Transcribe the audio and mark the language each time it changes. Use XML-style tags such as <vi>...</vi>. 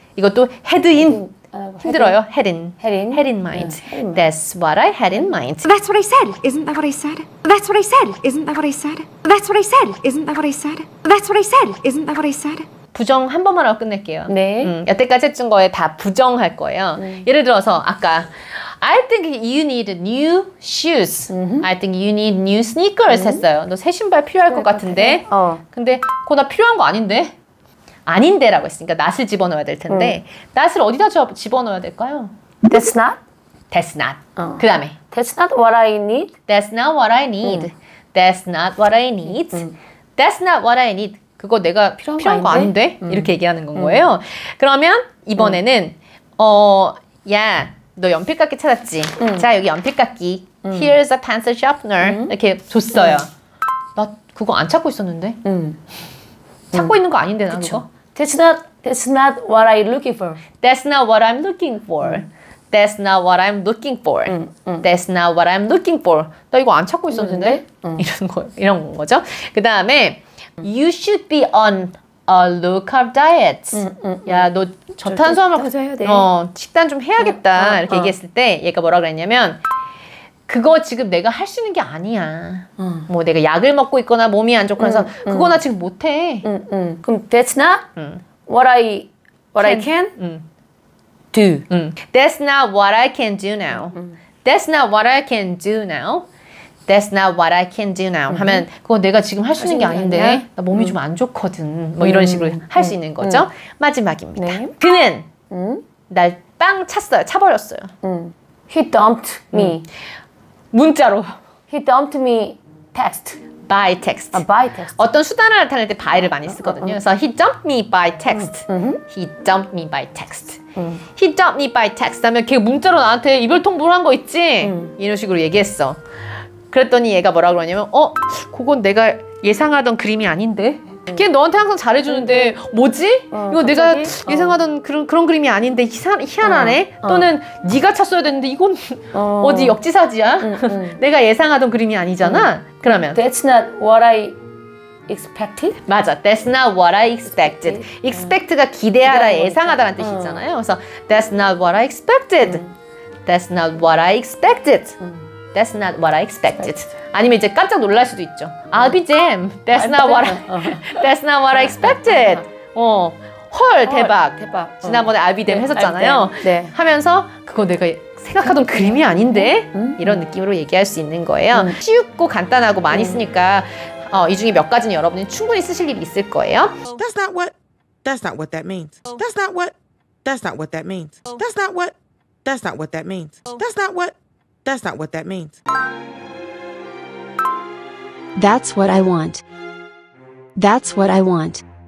<ko>이것도</ko> <en>had in</en> <ko>힘들어요.</ko> <en>Had in mind. That's what I had in mind. That's what I said. Isn't that what I said? That's what I said. Isn't that what I said? That's what I said. Isn't that what I said? That's what I said. Isn't that what I said?</en> <ko>부정 한 번만 하고 끝낼게요. 네. 여태까지 했던 거에 다 부정할 거예요. 예를 들어서 아까</ko> <en>I think you need new shoes. I think you need new sneakers</en> <ko>했어요. 너 새 신발 필요할 것 같은데. 근데 그거 나 필요한 거 아닌데. 아닌데 라고 했으니까 not을 집어넣어야 될 텐데 not을 어디다 집어넣어야 될까요?</ko> <en>That's not? That's not.</en> <ko>그 다음에</ko> <en>That's not what I need? That's not what I need. That's not what I need. That's not what I need.</en> <ko>그거 내가 필요한 거 아닌데? 이렇게 얘기하는 건 거예요. 그러면 이번에는 야, 너 연필깎이 찾았지? 자, 여기 연필깎이</ko> <en>Here's a pencil sharpener.</en> <ko>이렇게 줬어요. 나 그거 안 찾고 있었는데? 찾고 있는 거 아닌데 나는 거.</ko> <en>That's not what I'm looking for. That's not what I'm looking for. That's not what I'm looking for. That's not what I'm looking for.</en> <ko>나 이거 안 찾고 있었는데 이런 거죠. 그 다음에</ko> <en>You should be on a low carb diet.</en> <ko>야, 너 저탄수화물 식단 좀 해야겠다 이렇게 얘기했을 때 얘가 뭐라 그랬냐면. 그거 지금 내가 할 수 있는 게 아니야. 뭐 내가 약을 먹고 있거나 몸이 안 좋고 해서 그거 나 지금 못해. 그럼</ko> <en>that's not what I can do. That's not what I can do now. That's not what I can do now. That's not what I can do now.</en> <ko>하면 그거 내가 지금 할 수 있는 게 아닌데 나 몸이 좀 안 좋거든. 뭐 이런 식으로 할 수 있는 거죠. 마지막입니다. 네. 그는 날 빵 찼어요. 차버렸어요.</ko> <en>He dumped me.</en> <ko>문자로.</ko> <en>He dumped me text. By text. By text.</en> <ko>어떤 수단을 나타낼 때 by를 많이 쓰거든요. 그래서</ko> <en>he dumped me by text. He dumped me by text. He dumped me by text.</en> <ko>하면 걔 문자로 나한테 이별 통보를 한 거 있지? 이런 식으로 얘기했어. 그랬더니 얘가 뭐라 그러냐면 어? 그건 내가 예상하던 그림이 아닌데? 걔 너한테 항상 잘해주는데 뭐지? 이거 갑자기? 내가 예상하던 그런 그림이 아닌데 희한하네? 또는 네가 찼어야 되는데 이건 어디 역지사지야? 내가 예상하던 그림이 아니잖아? 그러면</ko> <en>That's not what I expected?</en> <ko>맞아.</ko> <en>That's not what I expected.</en> <ko>Expect가 기대하다, 예상하다라는 뜻이잖아요. 그래서</ko> <en>That's not what I expected. That's not what I expected. That's not what I expected.</en> <ko>아니면 이제 깜짝 놀랄 수도 있죠.</ko> <en>I'll be damned. That's not what I, that's not what I expected.</en> <ko>헐 대박. 대박. 지난번에</ko> <en>I'll be damned</en> <ko>했었잖아요. 네. 하면서 그거 내가 생각하던 그림이 아닌데? 이런 느낌으로 얘기할 수 있는 거예요. 쉽고 간단하고 많이 쓰니까 이 중에 몇 가지는 여러분이 충분히 쓰실 일이 있을 거예요.</ko> <en>That's not what, that's not what that means. That's not what, that's not what that means. That's not what, that's not what that means. That's not what, that's not what that means. That's what I want. That's what I want.</en>